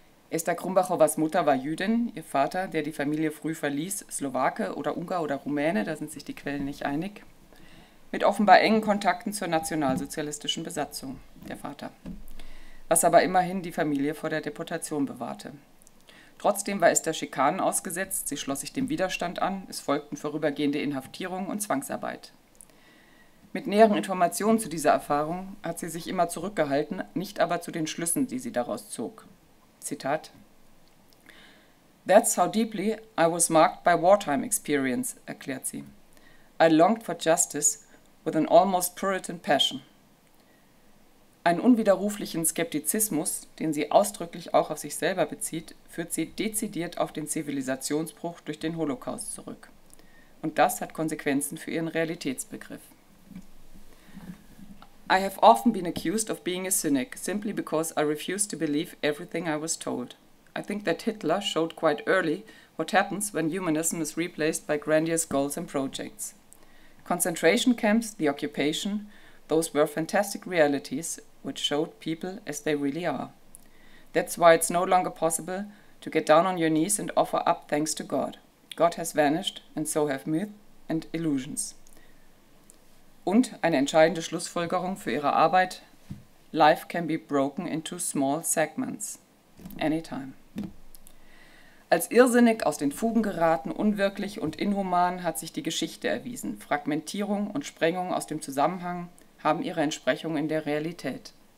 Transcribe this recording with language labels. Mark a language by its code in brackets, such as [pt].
[de] Esther Krumbachowas Mutter war Jüdin, ihr Vater, der die Familie früh verließ, Slowake oder Ungar oder Rumäne, da sind sich die Quellen nicht einig, mit offenbar engen Kontakten zur nationalsozialistischen Besatzung, der Vater, was aber immerhin die Familie vor der Deportation bewahrte. Trotzdem war Esther Schikanen ausgesetzt, sie schloss sich dem Widerstand an, es folgten vorübergehende Inhaftierungen und Zwangsarbeit. Mit näheren Informationen zu dieser Erfahrung hat sie sich immer zurückgehalten, nicht aber zu den Schlüssen, die sie daraus zog. Zitat, [en] That's how deeply I was marked by wartime experience, [de] erklärt sie. [en] I longed for justice with an almost Puritan passion. [de] einen unwiderruflichen Skeptizismus, den sie ausdrücklich auch auf sich selber bezieht, führt sie dezidiert auf den Zivilisationsbruch durch den Holocaust zurück. Und das hat Konsequenzen für ihren Realitätsbegriff. [en] I have often been accused of being a cynic, simply because I refused to believe everything I was told. I think that Hitler showed quite early what happens when humanism is replaced by grandiose goals and projects. Concentration camps, the occupation, those were fantastic realities which showed people as they really are. That's why it's no longer possible to get down on your knees and offer up thanks to God. God has vanished and so have myths and illusions. [de] Und eine entscheidende Schlussfolgerung für ihre Arbeit, [en] life can be broken into small segments, anytime. [de] Als irrsinnig, aus den Fugen geraten, unwirklich und inhuman hat sich die Geschichte erwiesen. Fragmentierung und Sprengung aus dem Zusammenhang haben ihre Entsprechung in der Realität.